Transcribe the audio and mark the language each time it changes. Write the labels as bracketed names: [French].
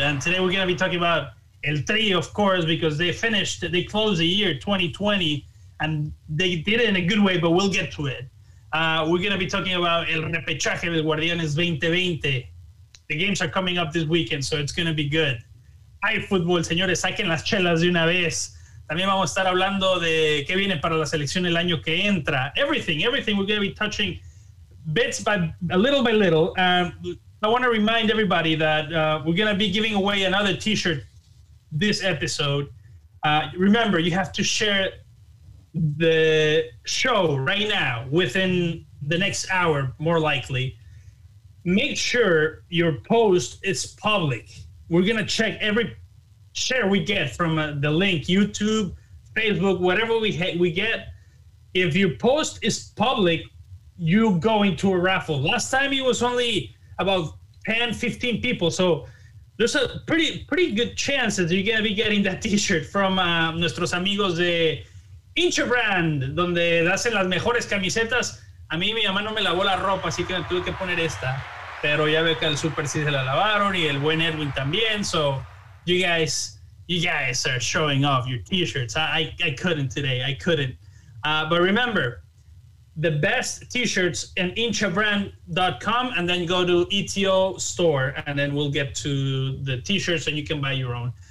[English] And today we're going to be talking about El Tri, of course, because they closed the year 2020, and they did it in a good way, but we'll get to it. We're going to be talking about El Repechaje del Guardianes 2020. The games are coming up this weekend, so it's going to be good. [Spanish] Hay fútbol, señores, saquen las chelas de una vez. También vamos a estar hablando de qué viene para la selección el año que entra. [English] Everything we're going to be touching bits by a little by little. I want to remind everybody that we're going to be giving away another T-shirt this episode. Remember, you have to share the show right now within the next hour, more likely. Make sure your post is public. We're going to check every share we get from the link, YouTube, Facebook, whatever we get. If your post is public, you go into a raffle. Last time it was only about 10, 15 people. So there's a pretty good chance that you're going to be getting that T-shirt from [Spanish] nuestros amigos de Inchebrand, donde hacen las mejores camisetas. A mí mi mamá no me lavó la ropa, así que me tuve que poner esta. Pero ya veo que el Super sí se la lavaron y el buen Edwin también. [English] So you guys are showing off your T-shirts. I couldn't today. I couldn't. But remember, the best T-shirts in Inchebrand.com, and then go to ETO store, and then we'll get to the T-shirts and you can buy your own.